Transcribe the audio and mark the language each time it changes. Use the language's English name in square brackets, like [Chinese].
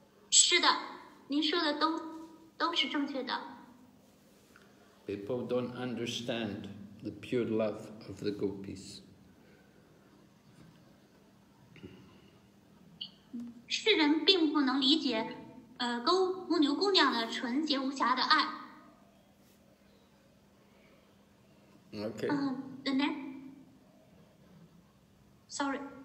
[Chinese] 是的，您说的都是正确的。 [English] People don't understand the pure love of the gopis. [Chinese] 世人并不能理解，公牛姑娘的纯洁无瑕的爱。 [English] Okay. The next. Sorry.